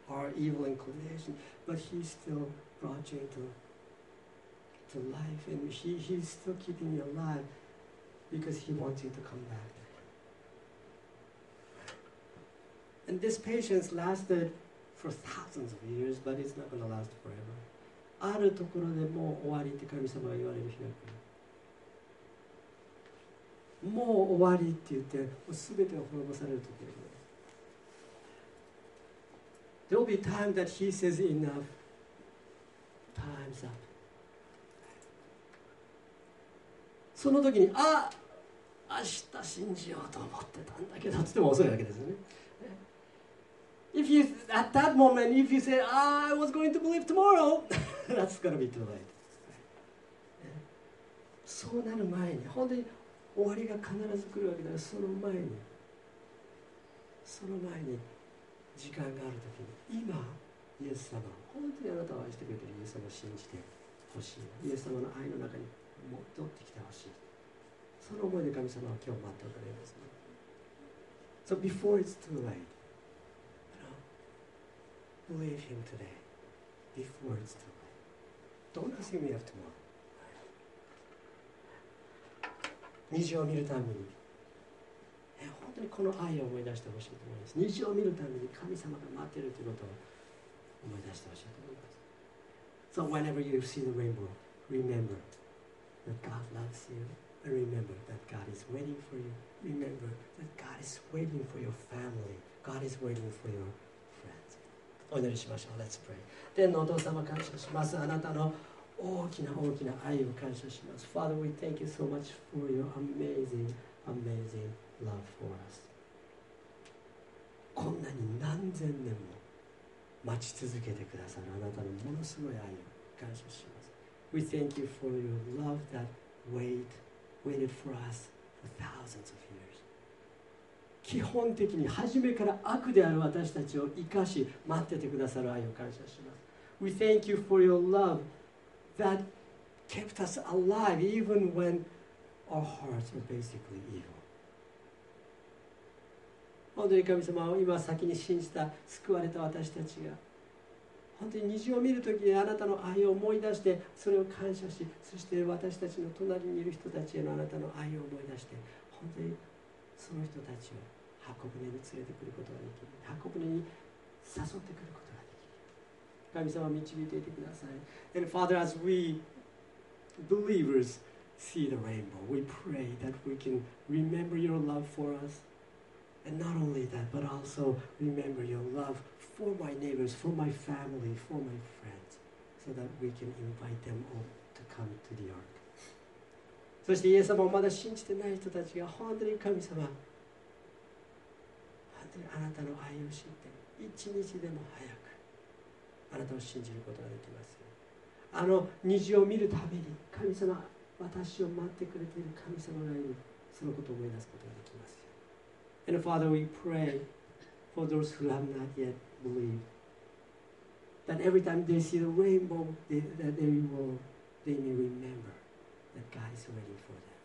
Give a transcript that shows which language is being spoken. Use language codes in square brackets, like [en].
[en] Our evil inclination, but He still brought you to life, and He's still keeping you alive because He wants you to come back. And this patience lasted for thousands of years, but it's not going to last forever. [ja] あるところでもう終わりって神様が言われる日が来る。もう終わりって言って、もう全てが滅ぼされるときです。 [en] There will be time that he says enough. Time's up. [ja] その時に、あ、明日信じようと思ってたんだけど、つっても遅いわけですよね。 [en] If you, at that moment, if you say, I was going to believe tomorrow, that's going to be too late. [ja] そうなる前に、本当に、終わりが必ず来るわけだから、その前に、その前に時間があるときに、今イエス様、本当にあなたを愛してくれているイエス様を信じてほしい、イエス様の愛の中に戻ってきてほしい、その思いで神様は今日待っておられます、ね、 [en] So before it's too late, you know, believe him today before it's too late. Don't ask me after tomorrow. [ja] 虹を見るために、本当にこの愛を思い出してほしいと思います。虹を見るために神様が待っているということを思い出してほしいと思います。 [en] So whenever you see the rainbow, remember that God loves you, and remember that God is waiting for you. Remember that God is waiting for your family. God is waiting for your friends. [ja] お祈りしましょう。 [en] Let's pray. [ja] 天のお父様、感謝します。あなたの大きな大きな愛を感謝します。 [en] Father, we thank you so much for your amazing, amazing love for us. [ja] こんなに何千年も待ち続けてくださるあなたのものすごい愛を感謝します。 [en] We thank you for your love that waited for us for thousands of years. [ja] 基本的に初めから悪である私たちを生かし待っててくださる愛を感謝します。 [en] We thank you for your love. That kept us alive even when our hearts were basically evil. [ja] 本当に神様を今先に信じた救われた私たちが本当に虹を見るときにあなたの愛を思い出してそれを感謝し、そして私たちの隣にいる人たちへのあなたの愛を思い出して本当にその人たちを箱舟に連れてくることができる、箱舟に誘ってくること、神様導いていてください。 [en] And Father, as we believers see the rainbow, we pray that we can remember your love for us. And not only that, but also remember your love for my neighbors, for my family, for my friends, so that we can invite them all to come to the ark. [ja] そしてイエス様をまだ信じてない人たちが本当に神様、本当にあなたの愛を知って、一日でも早く。あなたを信じることができます。あの虹を見るために神様、私を待ってくれている神様がいる、そのことを思い出すことができます。 [en] And Father, we pray for those who have not yet believed that every time they see the rainbow, they may remember that God is waiting for them.